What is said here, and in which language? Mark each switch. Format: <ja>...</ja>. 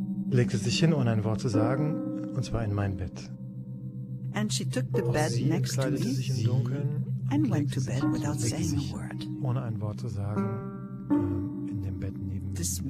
<de>Legte sich hin, ohne ein Wort zu sagen, und zwar in mein Bett.</de> <en>And she took the bed next to me.</en> <de>Sie sich im Dunkeln</de> <en>and went to bed without saying a word.</en> <de>Ohne ein Wort zu sagen, in dem Bett neben mir.</de>